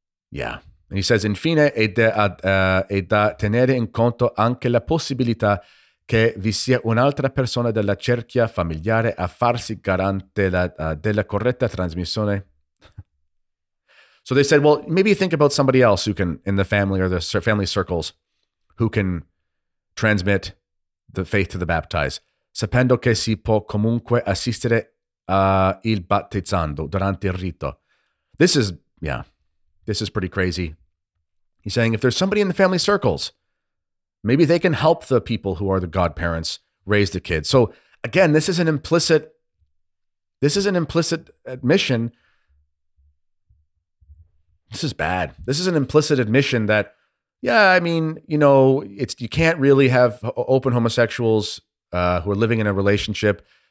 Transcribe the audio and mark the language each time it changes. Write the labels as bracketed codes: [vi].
[en] Yeah. And he says, [it] infine, è da tenere in conto anche la possibilità che vi sia un'altra persona della cerchia familiare a farsi garante della corretta trasmissione. [en] So they said, well, maybe think about somebody else who can, in the family or the family circles, who can transmit the faith to the baptized. [it] Sapendo che si può comunque assistere il battezzando durante il rito. [en] This is pretty crazy. He's saying if there's somebody in the family circles, maybe they can help the people who are the godparents raise the kids. So again, this is an implicit admission. This is bad. This is an implicit admission that, yeah, I mean, you know, it's, you can't really have open homosexuals who are living in a relationship